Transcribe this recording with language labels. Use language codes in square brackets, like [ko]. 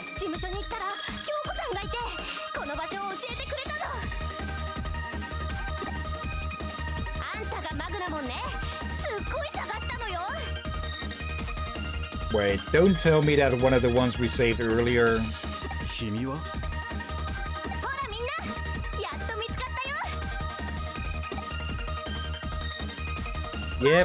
[ja] 務所に行ったら京子さんがいてこの場所を教えてくれたの。あんたがマグナモンね。すっごい探したのよ。 [en] Wait, don't tell me that one of the ones we saved earlier. [ja] シミは？ほらみんな、やっと見つかったよ。